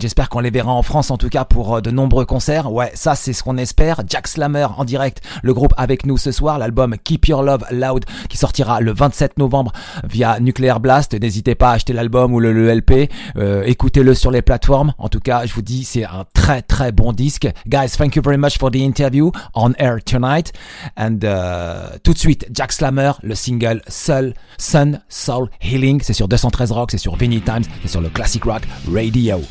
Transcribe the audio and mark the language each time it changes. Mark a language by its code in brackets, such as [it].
[fr] J'espère qu'on les verra en France, en tout cas pour de nombreux concerts. Ouais, ça c'est ce qu'on espère. Jack Slammer en direct, le groupe avec nous ce soir. L'album Keep Your Love Loud qui sortira le 27 novembre via Nuclear Blast. N'hésitez pas à acheter l'album ou le LP. Écoutez-le sur les plateformes. En tout cas, je vous dis, c'est un très très bon disque. [en] Guys, thank you very much for the interview on air tonight. [fr] And tout de suite, Jack Slammer, le single Soul Sun. Soul Healing, c'est sur 213 Rock, c'est sur Vinnie Times, c'est sur le Classic Rock Radio.